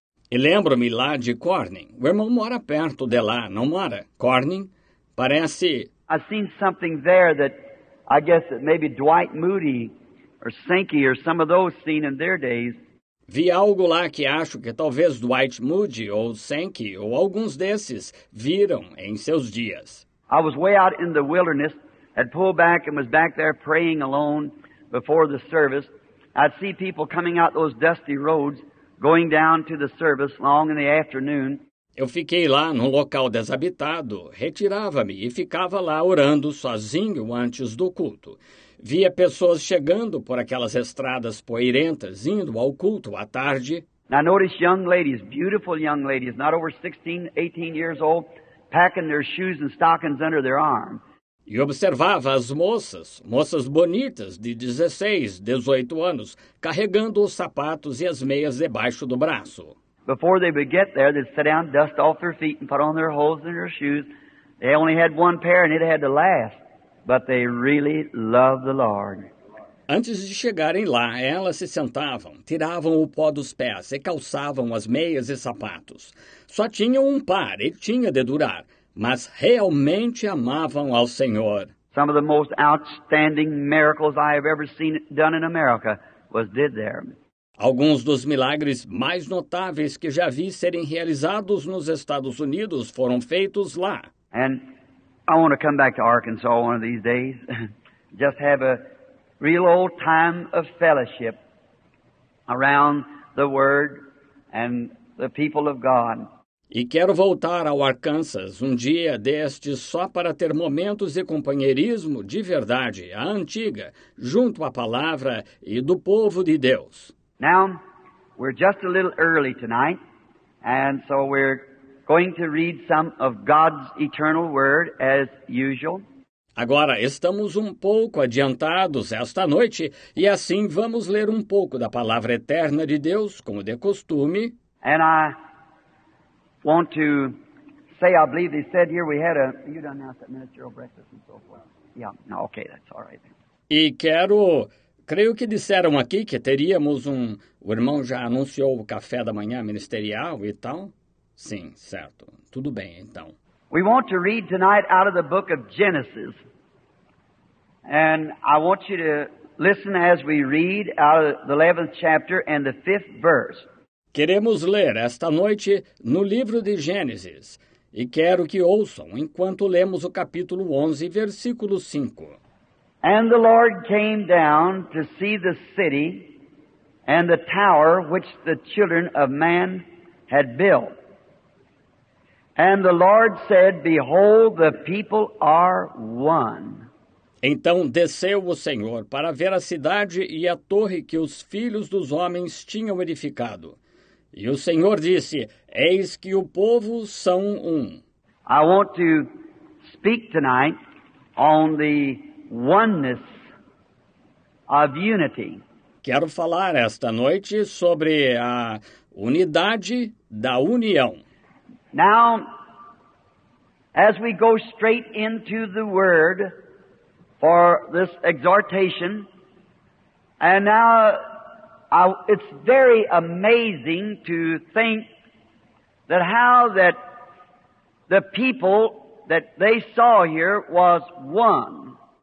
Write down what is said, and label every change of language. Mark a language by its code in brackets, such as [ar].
[pt] E lembro-me lá de Corning. O irmão mora perto de lá, não mora? Corning? Parece. [en] I seen something there that I guess that maybe Dwight Moody or Sankey or some of those seen in their days. [pt] Vi algo lá que acho que talvez Dwight Moody ou Sankey ou alguns desses viram em seus dias. [en] I was way out in the wilderness, had pulled back and was back there praying alone before the service. I'd see people coming out those dusty roads. Going down to the service long in the afternoon. [pt] Eu fiquei lá num local desabitado, retirava-me e ficava lá orando sozinho antes do culto. Via pessoas chegando por aquelas estradas poeirentas, indo ao culto à tarde. [en] Now notice young ladies, beautiful young ladies, not over 16, 18 years old, packing their shoes and stockings under their arm. [pt] E observava as moças bonitas de 16, 18 anos, carregando os sapatos e as meias debaixo do braço. [en] Before they would get there, they'd sit down, dust off their feet and put on their hose and their shoes. They only had one pair and it had to last. But they really loved the Lord. [pt] Antes de chegarem lá, elas se sentavam, tiravam o pó dos pés e calçavam as meias e sapatos. Só tinham um par e tinha de durar, mas realmente amavam ao Senhor. [en] Some of the most outstanding miracles I have ever seen done in America was did there. [pt] Alguns dos milagres mais notáveis que já vi serem realizados nos Estados Unidos foram feitos lá. [en] And I want to come back to Arkansas one of these days. Just have a real old time of fellowship around the Word and the people of God. [pt] E quero voltar ao Arkansas um dia destes só para ter momentos de companheirismo de verdade, a antiga, junto à palavra e do povo de Deus. [en] Now, we're just a little early tonight, and so we're going to read some of God's eternal word as usual. [pt] Agora, estamos um pouco adiantados esta noite, e assim vamos ler um pouco da palavra eterna de Deus, como de costume. [en] And I want to say, I believe they said here we had a... You don't announce that ministerial breakfast and so forth. Yeah, no, okay, that's all right. [pt] E quero... Creio que disseram aqui que teríamos um... O irmão já anunciou o café da manhã ministerial e tal? Sim, certo. Tudo bem, então. [en] We want to read tonight out of the book of Genesis. And I want you to listen as we read out of the 11th chapter and the 5th verse. [pt] Queremos ler esta noite no livro de Gênesis. E quero que ouçam enquanto lemos o capítulo 11, versículo 5. [en] And the Lord came down to see the city and the tower which the children of man had built. And the Lord said, Behold, the people are one. [pt] Então desceu o Senhor para ver a cidade e a torre que os filhos dos homens tinham edificado. E o Senhor disse, Eis que o povo são um. [en] I want to speak tonight on the oneness of unity. [pt] Quero falar esta noite sobre a unidade da união. [en] Now, as we go straight into the word for this exhortation, and now it's very amazing to think that how that the people that they saw here was one.